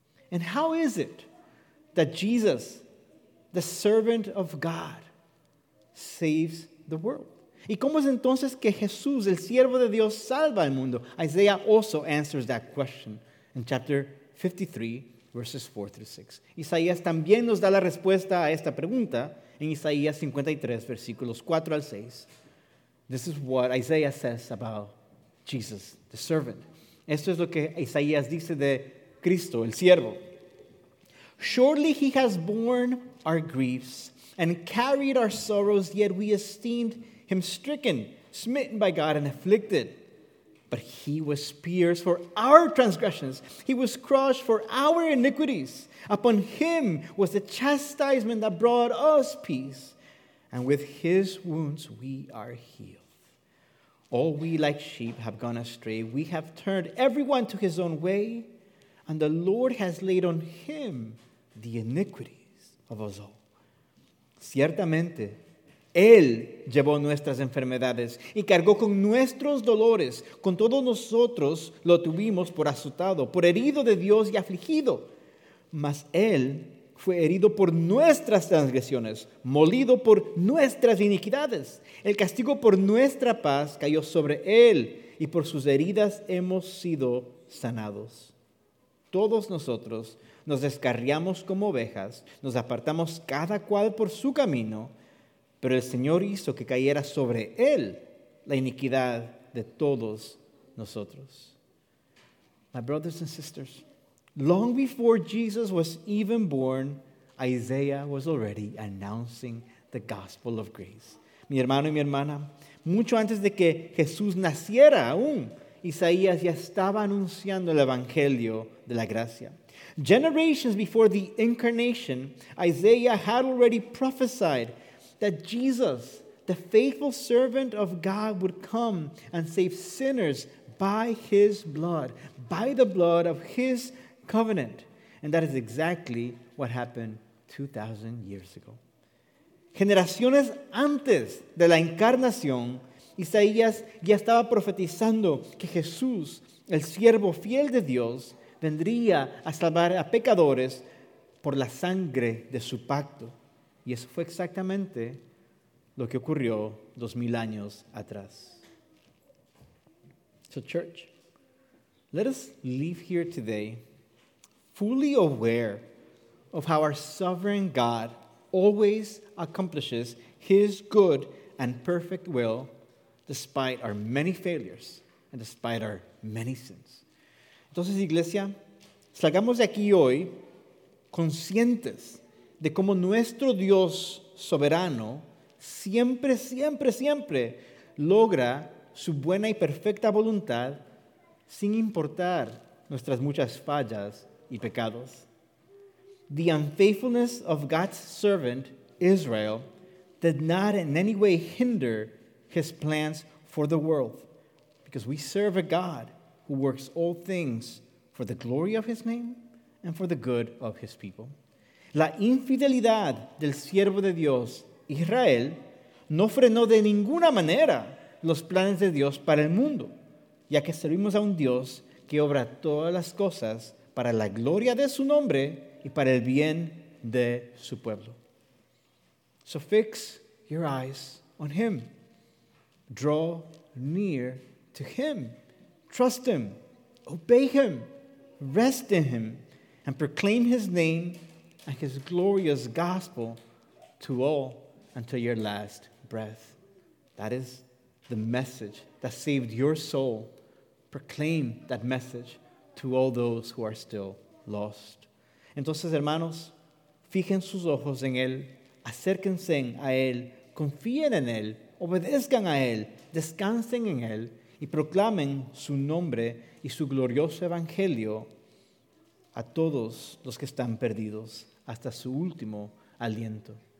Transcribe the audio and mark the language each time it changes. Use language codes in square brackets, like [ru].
[en] And how is it that Jesus, the servant of God, saves the world? [es] ¿Y cómo es entonces que Jesús, el siervo de Dios, salva al mundo? [en] Isaiah also answers that question in chapter 53, verses 4 through 6. [es] Isaías también nos da la respuesta a esta pregunta en Isaías 53, versículos 4 al 6. [en] This is what Isaiah says about Jesus, the servant. [es] Esto es lo que Isaías dice de Cristo, el siervo. [en] Surely he has borne our griefs and carried our sorrows, yet we esteemed him stricken, smitten by God and afflicted. But he was pierced for our transgressions. He was crushed for our iniquities. Upon him was the chastisement that brought us peace. And with his wounds we are healed. All we like sheep have gone astray. We have turned everyone to his own way. And the Lord has laid on him the iniquities of us all. [es] Ciertamente, Él llevó nuestras enfermedades y cargó con nuestros dolores. Con todos nosotros lo tuvimos por azotado, por herido de Dios y afligido. Mas Él fue herido por nuestras transgresiones, molido por nuestras iniquidades. El castigo por nuestra paz cayó sobre Él y por sus heridas hemos sido sanados. Todos nosotros nos descarriamos como ovejas, nos apartamos cada cual por su camino, pero el Señor hizo que cayera sobre Él la iniquidad de todos nosotros. [en] My brothers and sisters, long before Jesus was even born, Isaiah was already announcing the gospel of grace. [es] Mi hermano y mi hermana, mucho antes de que Jesús naciera aún, Isaías ya estaba anunciando el evangelio de la gracia. [en] Generations before the incarnation, Isaiah had already prophesied that Jesus, the faithful servant of God, would come and save sinners by his blood, by the blood of his covenant. And that is exactly what happened 2,000 years ago. [es] Generaciones antes de la encarnación, Isaías ya estaba profetizando que Jesús, el siervo fiel de Dios, vendría a salvar a pecadores por la sangre de su pacto. Y eso fue exactamente lo que ocurrió 2,000 años atrás. [en] So church, let us leave here today fully aware of how our sovereign God always accomplishes his good and perfect will despite our many failures and despite our many sins. [es] Entonces, iglesia, salgamos de aquí hoy conscientes de cómo nuestro Dios soberano siempre, siempre, siempre logra su buena y perfecta voluntad sin importar nuestras muchas fallas y pecados. [en] The unfaithfulness of God's servant, Israel, did not in any way hinder his plans for the world, because we serve a God who works all things for the glory of his name and for the good of his people. [es] La infidelidad del siervo de Dios, Israel, no frenó de ninguna manera los planes de Dios para el mundo, ya que servimos a un Dios que obra todas las cosas para la gloria de su nombre y para el bien de su pueblo. [en] So fix your eyes on him. Draw near to him. Trust him. Obey him. Rest in him. And proclaim his name and his glorious gospel to all until your last breath. That is the message that saved your soul. Proclaim that message to all those who are still lost. [es] Entonces, hermanos, fijen sus ojos en él, acérquense a él, confíen en él, obedezcan a él, descansen en él, y proclamen su nombre y su glorioso evangelio a todos los que están perdidos hasta su último aliento.